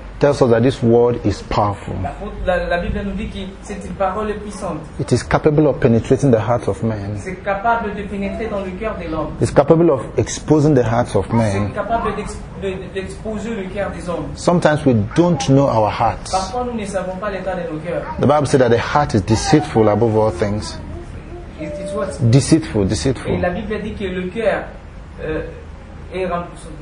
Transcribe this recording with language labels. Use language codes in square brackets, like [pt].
[en] Tells us that this word is powerful. [fr] La Bible nous dit que c'est une parole puissante. [en] It is capable of penetrating the heart of man. [fr] C'est capable de pénétrer dans le cœur de l'homme. [en] It's capable of exposing the hearts of men. [fr] C'est capable d'exposer le cœur des hommes. [en] Sometimes we don't know our hearts. [fr] Parfois nous ne savons pas l'état de nos cœurs. [en] The Bible says that the heart is deceitful above all things. Deceitful, deceitful. [fr] Et la Bible dit que le cœur est rempli.